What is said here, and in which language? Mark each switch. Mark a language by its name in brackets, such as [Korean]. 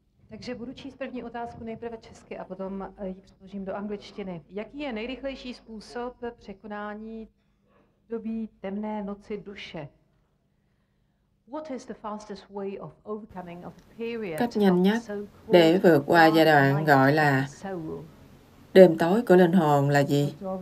[Czech] Takže budu číst první otázku nejprve česky a potom ji přeložím do angličtiny. Jaký je nejrychlejší způsob překonání doby temné noci duše? [English] What is the fastest way of overcoming of period? [Vietnamese] Cách nhanh nhất để vượt qua giai đoạn gọi là đêm tối của linh hồn là gì?